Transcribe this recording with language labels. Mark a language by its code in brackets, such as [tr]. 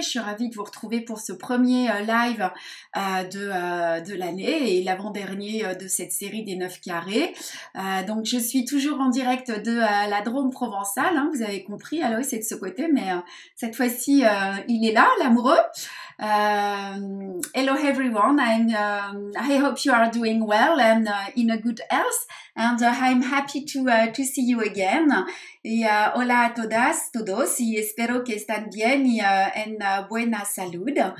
[fr] Je suis ravie de vous retrouver pour ce premier live de l'année et l'avant-dernier de cette série des 9 carrés. Donc je suis toujours en direct de la Drôme Provençale, hein, vous avez compris. Alors oui, c'est de ce côté, mais cette fois-ci, il est là, l'amoureux. [en] Hello everyone, I hope you are doing well and in a good health. And I'm happy to see you again. [es] Y hola a todas, todos, y espero que estén bien y en buena salud.